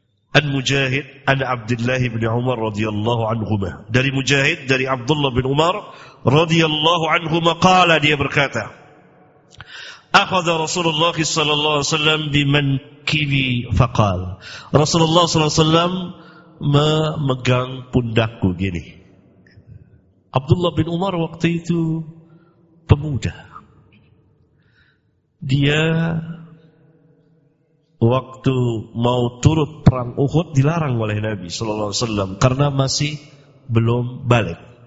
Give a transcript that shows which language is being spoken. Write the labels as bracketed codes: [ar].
[ar] Al-Mujahid an Abdullah bin Umar radhiyallahu anhuma. [id] Dari Mujahid, dari Abdullah bin Umar radhiyallahu anhuma, qala, dia berkata, [ar] أخذ رسول الله صلى الله عليه وسلم بمنكبي فقال. [id] رسول الله صلى الله عليه وسلم memegang pundakku gini. Abdullah bin Umar waktu itu pemuda. Dia waktu mau turut perang Uhud dilarang oleh Nabi sallallahu alaihi wasallam karena masih belum baligh.